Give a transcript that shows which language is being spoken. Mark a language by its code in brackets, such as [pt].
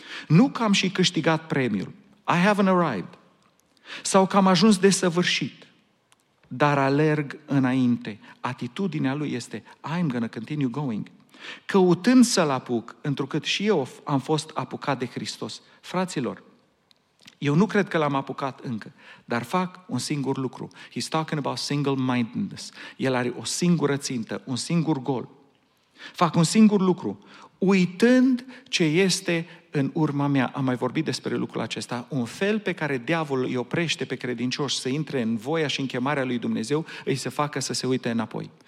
[ro] Nu că am și câștigat premiul, [en] I haven't arrived, [ro] sau că am ajuns desăvârșit, dar alerg înainte. Atitudinea lui este, [en] I'm gonna continue going, [ro] căutând să-L apuc, întrucât și eu am fost apucat de Hristos. Fraților, eu nu cred că L-am apucat încă, dar fac un singur lucru. [en] He's talking about single-mindedness. [ro] El are o singură țintă, un singur gol. Fac un singur lucru, uitând ce este în urma mea. Am mai vorbit despre lucrul acesta. Un fel pe care diavolul îi oprește pe credincioși să intre în voia și în chemarea lui Dumnezeu, îi se facă să se uite înapoi.